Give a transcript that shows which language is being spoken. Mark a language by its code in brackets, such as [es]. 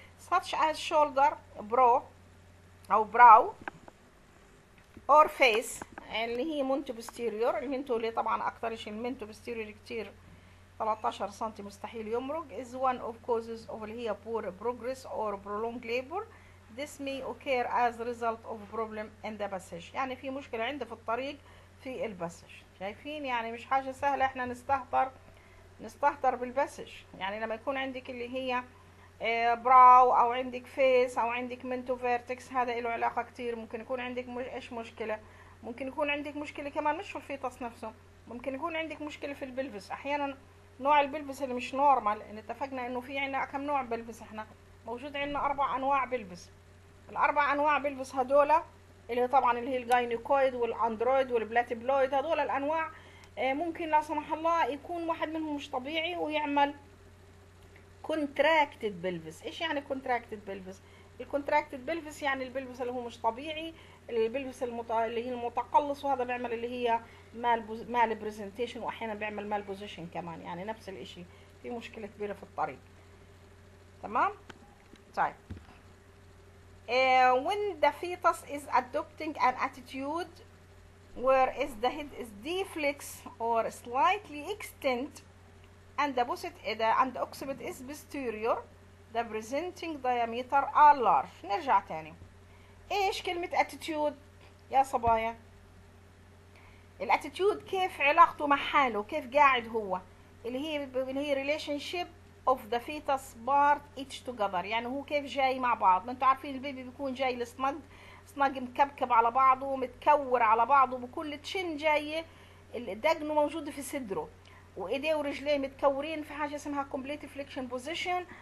[en] such as shoulder [ar] برو او براو اور فيس اللي هي منتو بستيريور، المنتو اللي طبعا اكتر شيء المنتو بستيريور كتير 13 سنتي مستحيل يمرق، [en] is one of causes of [ar] اللي هي [en] poor progress or prolonged labor. This may occur as a result of problem in the passage. [ar] يعني في مشكلة عنده في الطريق في البسج. شايفين يعني مش حاجة سهلة احنا نستهتر بالبسج. يعني لما يكون عندك اللي هي براو او عندك فيس او عندك منتو فيرتكس، هذا له علاقة كتير. ممكن يكون عندك ايش مشكلة، ممكن يكون عندك مشكلة كمان مش في الفيتس نفسه، ممكن يكون عندك مشكلة في البلفس. احيانا نوع البلبس اللي مش نورمال، اتفقنا انه في عنا كم نوع بلبس. احنا موجود عنا 4 انواع بلبس. الاربع انواع بلبس هدول اللي طبعا اللي هي الجاينيكويد والاندرويد والبلاتيبلويد، هدول الانواع ممكن لا سمح الله يكون واحد منهم مش طبيعي ويعمل كونتراكتد بلبس. ايش يعني كونتراكتد بلبس؟ الكونتراكتد بلبس يعني البلبس اللي هو مش طبيعي، البلبس اللي هي المتقلص، وهذا بيعمل اللي هي مال بريزنتيشن، واحيانا بيعمل مال بوزيشن كمان، يعني نفس الاشي في مشكله كبيره في الطريق. تمام. [en] طيب when the fetus is adopting an attitude where is the head is deflex or slightly extend and the posit and the occiput is posterior, the presenting diameter are large. [ar] نرجع تاني، ايش كلمة attitude يا صبايا؟ الاتيتيود كيف علاقته مع حاله، كيف قاعد هو، اللي هي ريليشن شيب اوف ذا فيتس بارت ايتش توجذر، يعني هو كيف جاي مع بعض. ما انتوا عارفين البيبي بيكون جاي السنج سنج مكبكب على بعضه، متكور على بعضه، بكل تشن جايه دقنه موجوده في صدره، وايديه ورجليه متكورين في حاجه اسمها كومبليت فليكشن بوزيشن.